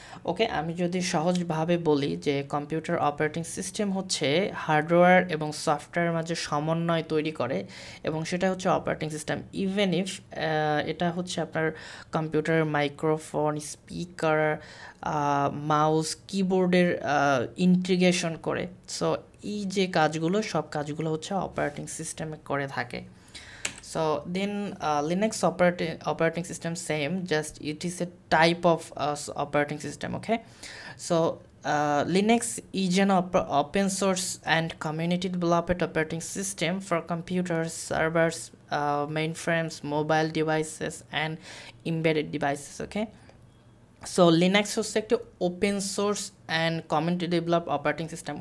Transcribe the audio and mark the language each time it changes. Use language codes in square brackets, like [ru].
[bn] ওকে, আমি যদি সহজভাবে বলি যে কম্পিউটার অপারেটিং সিস্টেম হচ্ছে হার্ডওয়্যার এবং সফটওয়্যার মাঝে সমন্বয় তৈরি করে, এবং সেটা হচ্ছে অপারেটিং সিস্টেম। ইভেন ইফ এটা হচ্ছে আপনার কম্পিউটার মাইক্রোফোন, স্পিকার, মাউস, কিবোর্ডের ইন্টিগ্রেশন করে, সো এই যে কাজগুলো, সব কাজগুলো হচ্ছে অপারেটিং সিস্টেমে করে থাকে। [en] So then Linux operating system same, just it is a type of operating system, okay? So Linux is an open source and community developed operating system for computers, servers, mainframes, mobile devices and embedded devices, okay? [bn] So Linux হচ্ছে একটি open source and community develop operating system.